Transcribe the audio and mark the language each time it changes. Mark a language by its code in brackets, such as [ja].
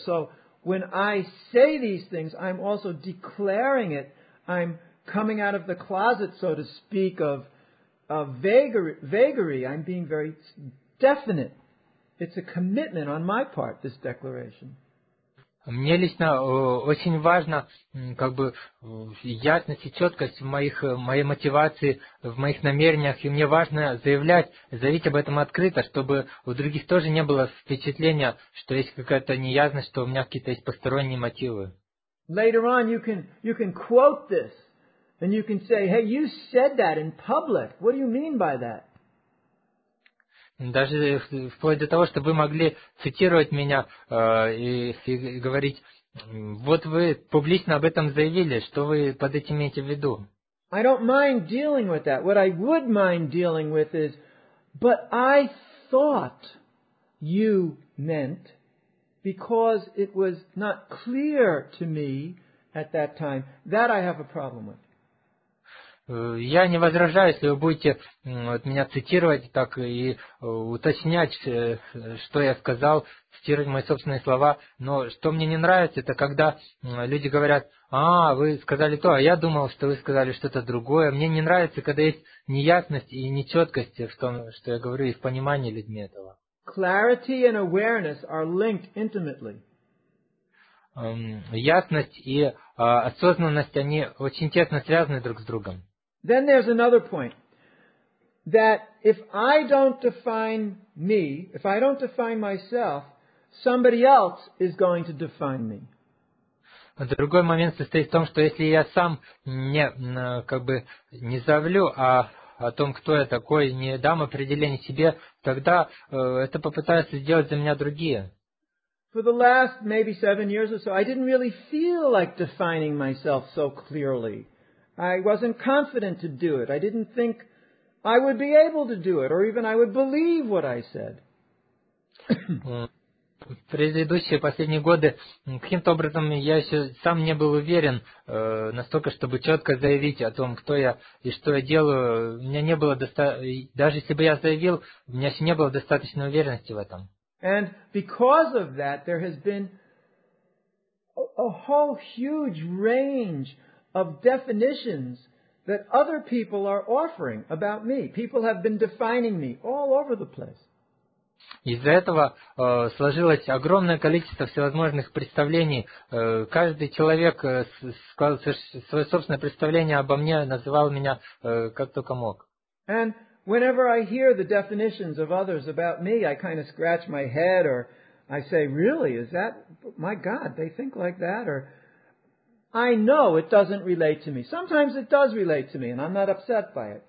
[en] So when I say these things, I'm also declaring it. I'm coming out of the closet, so to speak, of vagary. I'm being very definite It's a commitment on my part, this declaration. [ru] Мне лично очень важно, как бы, ясность и четкость в моих, моей мотивации, в моих намерениях, и мне важно заявить об этом открыто, чтобы у других тоже не было впечатления, что есть какая-то неясность, что у меня какие-то есть посторонние мотивы. [en] Later on you can quote this, and you can say, hey, you said that in public. What do you mean by that? [ru] Даже вплоть до того, что вы могли цитировать меня и говорить, вот вы публично об этом заявили, что вы под этим имеете в виду? [en] I don't mind dealing with that. What I would mind dealing with is, but I thought you meant, because it was not clear to me at that time, that I have a problem with. [ru] Я не возражаю, если вы будете вот, меня цитировать так и уточнять, что я сказал, цитировать мои собственные слова. Но что мне не нравится, это когда люди говорят, а, вы сказали то, а я думал, что вы сказали что-то другое. Мне не нравится, когда есть неясность и нечеткость в том, что я говорю, и в понимании людьми этого. [en] Clarity and awareness are linked intimately. [ru] Ясность и осознанность, они очень тесно связаны друг с другом. [en] Then there's another point, that if I don't define me, if I don't define myself, somebody else is going to define me. [ru] Другой момент состоит в том, что если я сам не, как бы, не заявлю о том, кто я такой, не дам определение себе, тогда это попытаются сделать за меня другие. [en] For the last maybe 7 years or so, I didn't really feel like defining myself so clearly. I wasn't confident to do it. I didn't think I would be able to do it, or even I would believe what I said. [ru] Предыдущие последние годы каким-то образом я еще сам не был уверен настолько, чтобы четко заявить о том, кто я и что я делаю. У меня не было даже если бы я заявил, у меня еще не было достаточной уверенности в этом. [en] And because of that, there has been a whole huge range of definitions that other people are offering about me. People have been defining me all over the place. [ru] Из-за этого сложилось огромное количество всевозможных представлений. Каждый человек сказал свое собственное представление обо мне, называл меня как только мог. [en] And whenever I hear the definitions of others about me, I kind of scratch my head or I say, really, is that, my God, they think like that? Or I know it doesn't relate to me. Sometimes it does relate to me, and I'm not upset by it.